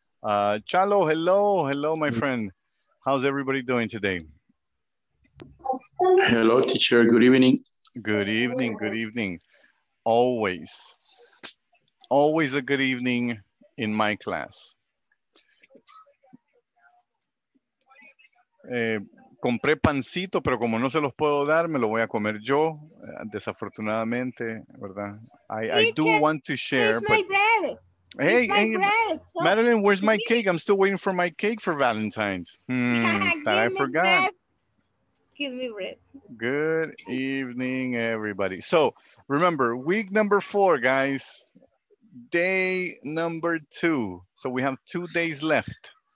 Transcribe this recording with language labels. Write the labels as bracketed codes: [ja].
[en] Chalo, hello. Hello, my friend. How's everybody doing today? Hello, teacher. Good evening. Good evening. Good evening. Always. Always a good evening in my class. [es] Compré pancito, pero como no se los puedo dar, me lo voy a comer yo, desafortunadamente, ¿verdad? [en] I do want to share. It's my bread. Hey, it's my bread. So Madeline, where's my cake? I'm still waiting for my cake for Valentine's. I forgot. Bread. Give me bread. Good evening, everybody. So remember, week number four, guys. Day number two. So we have 2 days left.